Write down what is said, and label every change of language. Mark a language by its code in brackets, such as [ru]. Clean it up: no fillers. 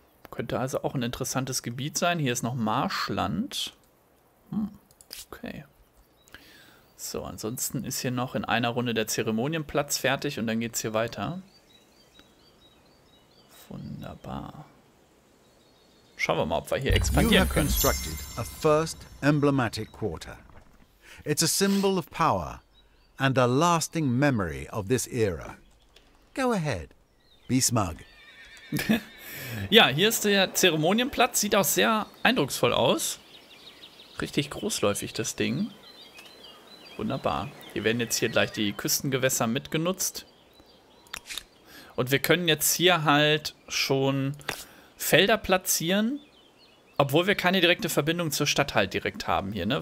[de] Könnte also auch ein interessantes Gebiet sein. Hier ist noch Marschland. Okay. So, ansonsten ist hier noch in einer Runde der Zeremonienplatz fertig und dann geht's hier weiter. Wunderbar. Schauen wir mal, ob wir hier expandieren können. [en] You have constructed a first emblematic quarter. It's a symbol of power and a lasting memory of this era. Go ahead. Be smug. [de] Ja, hier ist der Zeremonienplatz. Sieht auch sehr eindrucksvoll aus. Richtig großläufig, das Ding. Wunderbar. Hier werden jetzt hier gleich die Küstengewässer mitgenutzt. Und wir können jetzt hier halt schon Felder platzieren, obwohl wir keine direkte Verbindung zur Stadt halt direkt haben hier, ne?